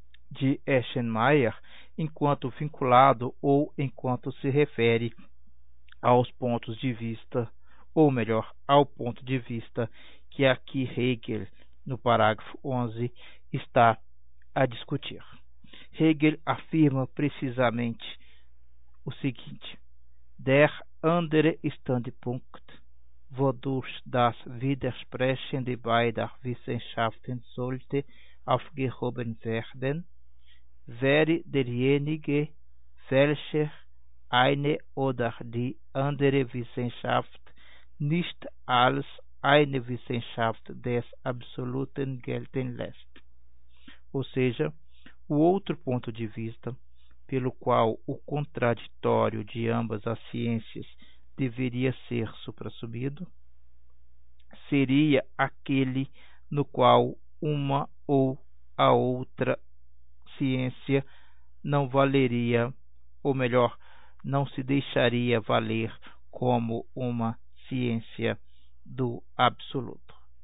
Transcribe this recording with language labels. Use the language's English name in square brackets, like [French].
[Portuguese] de Eschenmayer enquanto vinculado ou enquanto se refere aos pontos de vista, ou melhor, ao ponto de vista que aqui Hegel, no parágrafo 11, está a discutir. Hegel afirma precisamente o seguinte: [German] Der andere Standpunkt, wodurch das Widersprechen beider Wissenschaften sollte aufgehoben werden, wäre derjenige, welcher eine oder die andere Wissenschaft nicht als eine Wissenschaft des Absoluten gelten lässt. [Portuguese] Ou seja, o outro ponto de vista, pelo qual o contraditório de ambas as ciências deveria ser suprassumido, seria aquele no qual uma ou a outra ciência não valeria, ou melhor, não se deixaria valer como uma ciência do absoluto.